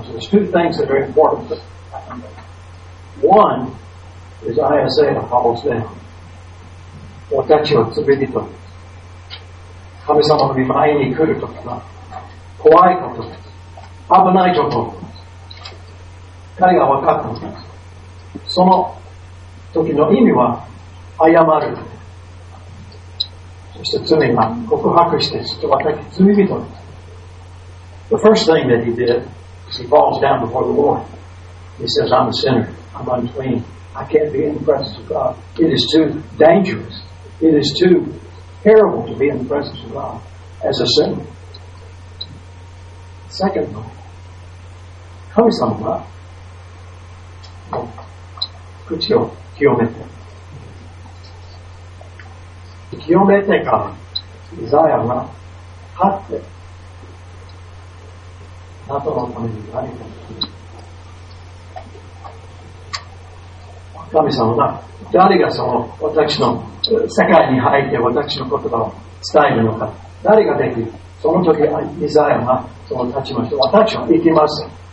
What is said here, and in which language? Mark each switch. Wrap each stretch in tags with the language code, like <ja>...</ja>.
<en>Two things that are important. One is Isaiah falls down.</en> <ja>私たちは罪人です。神様の見前に来るときは、怖いこと、危ないこと、彼が分かったんです。その時の意味は、謝る。そして罪が告白して、私たち罪人です。</ja> <en>The first thing that he did is he falls down before the Lord. He says, I'm a sinner. I'm unclean. I can't be in the presence of God. It is too dangerous. It is too terrible to be in the presence of God as a sinner. Second,</en> <ja>神様は口を清めて。清めてから、イザヤは立って、あとのために何か神様が誰がその私の世界に入って私の言葉を伝えるのか誰ができるその時イザヤがその立ちました私は行きます</ja>